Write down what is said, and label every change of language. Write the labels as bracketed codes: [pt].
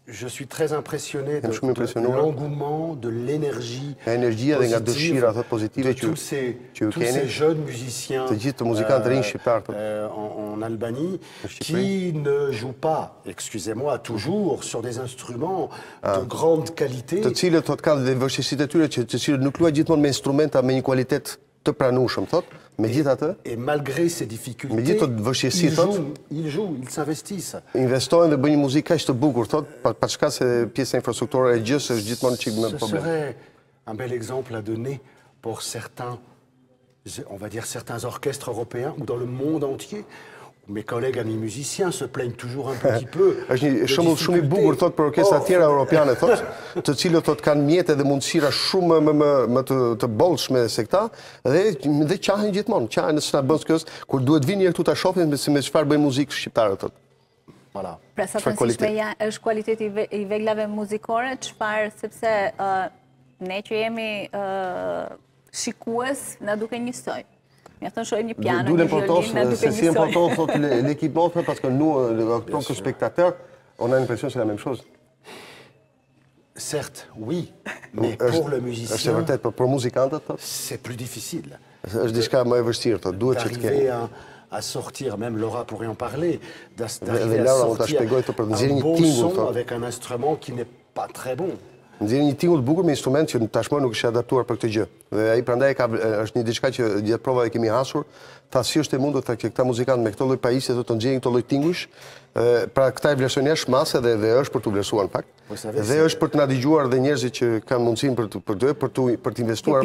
[fr] Je suis très impressionné de l'engouement, de l'énergie. [sq] Energjia dhe nga dëshira thot pozitive që [fr] tous ces jeunes musiciens. [sq] Të gjithë muzikantë rinj shqiptar [fr] en Albanie qui ne jouent pas, excusez-moi, toujours sur des instruments de grande qualité. [sq] Të cilët thot kanë dhe vështirësitë e tyre që të cilët nuk luajnë gjithmonë me instrumenta me një cilësi të pranueshëm, thot, megjithatë. [fr] E malgré ces difficultés. [sq] Megjithatë vështirësi, thot. [fr] Il joue, il s'investisse. [sq] Investojnë dhe bëjnë muzikë kaq të bukur, thot, pa çka se pjesa infrastrukturore e gjës është gjithmonë çik me problem. [fr] Ce serait un bel exemple à donner pour certains, on va dire certains orchestres européens ou dans le monde entier. Mes collègues amis musiciens se plaignent toujours un petit peu. [sq] Është një shembull shumë i bukur thot për orkestra të tjera europiane thot, të cilët thot kanë mjete dhe mundësira shumë më të bollshme se këta dhe qahen gjithmonë, qahen s'na bën kës kur duhet vinë këtu ta shohin me çfarë bëjnë muzikë shqiptare thot. [fr] Voilà. [sq] Pra sa të është kualiteti i veglave muzikore, çfarë sepse ne që jemi shikues na duke njësoj. [fr] D'où l'importance, c'est important sur l'équipement, parce que nous, en tant que spectateurs, on a l'impression que c'est la même chose. Certes, oui, mais pour le musicien, c'est peut-être pour le musicien, c'est plus difficile. Je dis qu'à m'investir, d'arriver à sortir, même Laura pourrait en parler, d'arriver à sortir un bon son avec un instrument qui n'est pas très bon. [sq] Ndjeni një tingull bukur me instrument që tashmë nuk është adaptuar për këtë gjë. Dhe ai prandaj ka është një diçka që gjatë provave kemi hasur, tha si është e mundur ta që këta muzikant me këtë lloj pajisje të nxjerrin këtë lloj tingujsh. Pra këta e vlerësojnë jashtë mase dhe është për t'u vlerësuar në fakt. Dhe është për të na dëgjuar dhe njerëzit që kanë mundësinë për të investuar.